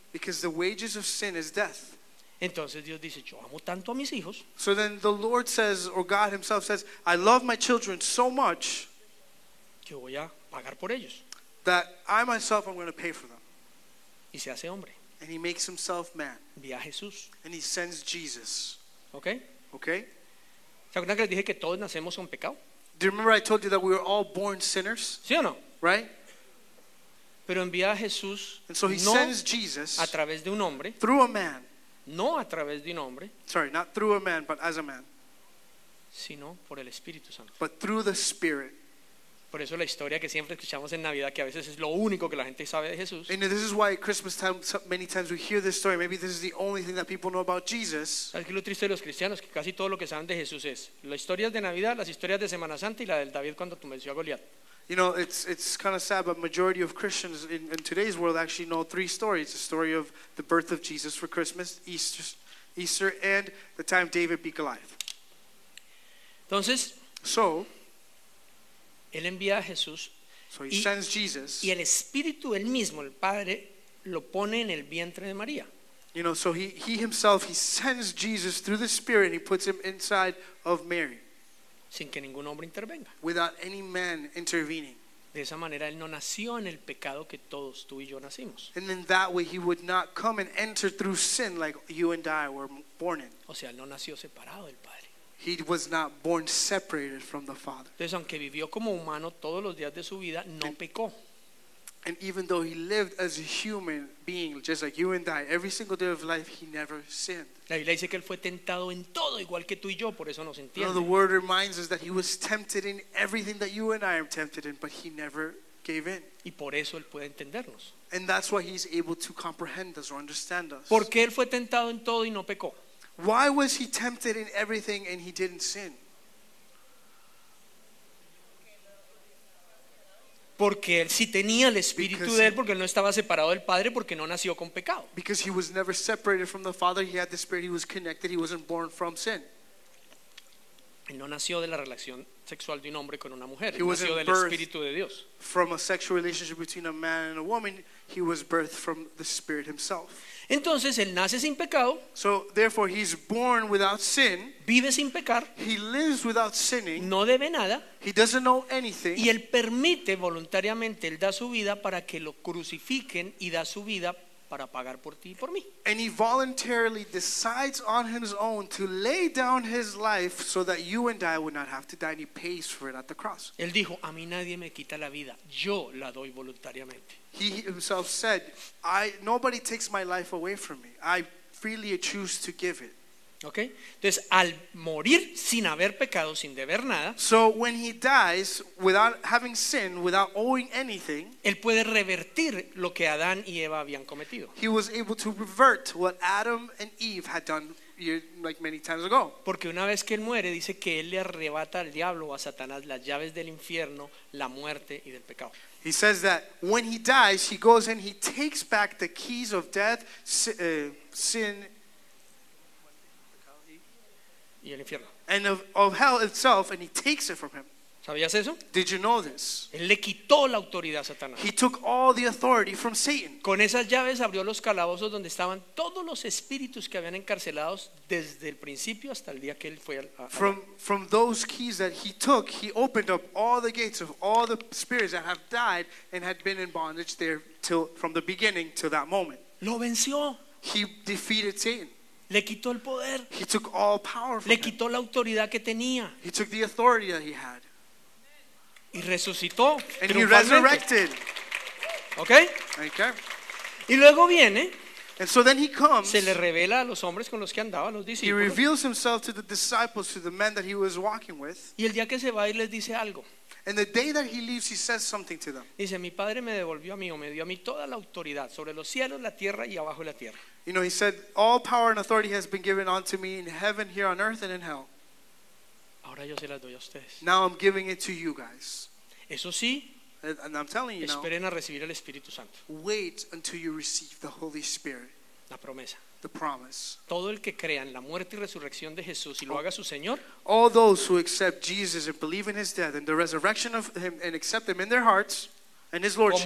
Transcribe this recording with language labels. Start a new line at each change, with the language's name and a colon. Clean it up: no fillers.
English: Because the wages of sin is death.
Spanish: Entonces Dios dice, yo amo tanto a mis hijos.
English: So then the Lord says, or God himself says, I love my children so much
Spanish: que voy a pagar por ellos.
English: That I myself am going to pay for them.
Spanish: Y se hace hombre.
English: And he makes himself man.
Spanish: Envía a Jesús.
English: And he sends Jesus.
Spanish: Okay.
English: Okay.
Spanish: ¿Se acuerdan que les dije que todos nacemos con pecado?
English: Do you remember I told you that we were all born sinners?
Spanish: ¿Sí o no?
English: Right?
Spanish: Pero envía a Jesús.
English: And so he
Spanish: no
English: sends Jesus
Spanish: a través de un hombre.
English: Through a man.
Spanish: No a través de un hombre.
English: Sorry, not through a man, but as a man.
Spanish: Sino por el Espíritu Santo.
English: But through the Spirit.
Spanish: Por eso la historia que siempre escuchamos en Navidad, que a veces es lo único que la gente sabe de Jesús.
English: And this is why at Christmas time many times we hear this story. Maybe this is the only thing that people know about Jesus.
Spanish: Es que lo triste de los cristianos, que casi todo lo que saben de Jesús es las historias de Navidad, las historias de Semana Santa y la del David cuando venció a Goliat.
English: You know, it's kind of sad, but majority of Christians in today's world actually know three stories: the story of the birth of Jesus for Christmas, Easter, and the time David beat Goliath.
Spanish: Entonces,
English: so
Spanish: él envía a Jesús,
English: so he sends Jesus,
Spanish: y el Espíritu él mismo, el Padre, lo pone en el vientre de María.
English: You know, so he himself, he sends Jesus through the Spirit, and he puts him inside of Mary.
Spanish: Sin que ningún hombre intervenga.
English: Without any man intervening.
Spanish: De esa manera él no nació en el pecado que todos tú y yo nacimos.
English: And in that way he would not come and enter through sin like you and I were born in.
Spanish: O sea, él no nació separado del Padre.
English: He was not born separated from the Father.
Spanish: Entonces, aunque vivió como humano todos los días de su vida, no pecó.
English: And even though he lived as a human being, just like you and I, every single day of life, he never sinned.
Spanish: La Biblia dice que él fue tentado en todo, igual que tú y yo, por eso nos entiende.
English: No, the word reminds us that he was tempted in everything that you and I are tempted in, but he never gave in.
Spanish: Y por eso él puede entendernos.
English: And that's why he's able to comprehend us or understand us.
Spanish: ¿Por qué él fue tentado en todo y no pecó?
English: Why was he tempted in everything and he didn't sin?
Spanish: Porque él sí tenía el espíritu
English: because
Spanish: de él, porque él no estaba separado del Padre, porque no nació con pecado.
English: Because he was never separated from the Father, he had the Spirit, he was connected, he wasn't born from sin.
Spanish: Él no nació de la relación sexual de un hombre con una mujer, él nació del espíritu de Dios.
English: From a sexual relationship between a man and a woman, he was birthed from the Spirit himself.
Spanish: Entonces él nace sin pecado.
English: So therefore he's born without sin.
Spanish: Vive sin pecar.
English: He lives without sinning.
Spanish: No debe nada.
English: He doesn't know anything.
Spanish: Y él permite voluntariamente, él da su vida para que lo crucifiquen y da su vida para pagar por ti y por mí.
English: And he voluntarily decides on his own to lay down his life so that you and I would not have to die, and he pays for it at the cross.
Spanish: Él dijo, a mí nadie me quita la vida, yo la doy voluntariamente.
English: He himself said, nobody takes my life away from me. I freely choose to give it.
Spanish: Okay? Entonces, al morir sin haber pecado, sin deber nada,
English: so when he dies without having sin, without owing anything,
Spanish: él puede revertir lo que Adán y Eva habían cometido.
English: He was able to revert what Adam and Eve had done like many times ago.
Spanish: Porque una vez que él muere, dice que él le arrebata al diablo o a Satanás las llaves del infierno, la muerte y del pecado.
English: He says that when he dies, he goes and he takes back the keys of death, sin,
Spanish: y el infierno.
English: And of hell itself, and he takes it from him.
Spanish: ¿Sabías eso?
English: Did you know this?
Spanish: Él le quitó la autoridad a Satanás.
English: He took all the authority from Satan.
Spanish: Con esas llaves abrió los calabozos donde estaban todos los espíritus que habían encarcelados desde el principio hasta el día que él fue a
English: From those keys that he took, he opened up all the gates of all the spirits that have died and had been in bondage there till from the beginning to that moment.
Spanish: Lo venció.
English: He defeated Satan.
Spanish: Le quitó el poder.
English: He took all power from him.
Spanish: Le quitó la autoridad que tenía.
English: He took the authority that he had.
Spanish: Y resucitó.
English: And he resurrected.
Spanish: Okay.
English: Okay.
Spanish: Y luego viene.
English: And so then he comes.
Spanish: Se le revela a los hombres con los que andaba, los discípulos.
English: He reveals himself to the disciples, to the men that he was walking with.
Spanish: Y el día que se va, él les dice algo.
English: And the day that he leaves, he says something to them.
Spanish: Dice, mi padre me devolvió a mí o me dio a mí toda la autoridad sobre los cielos, la tierra y abajo la tierra.
English: You know, he said, all power and authority has been given unto me in heaven, here on earth, and in hell.
Spanish: Ahora yo se las doy a ustedes.
English: Now I'm giving it to you guys.
Spanish: Eso sí,
English: and I'm telling you,
Spanish: esperen
English: now,
Spanish: a recibir el Espíritu Santo.
English: Wait until you receive the Holy Spirit.
Spanish: La promesa.
English: The promise.
Spanish: Todo el que crea en la muerte y resurrección de Jesús y lo haga su Señor.
English: All those who accept Jesus and believe in his death and the resurrection of him and accept him in their hearts and his lordship.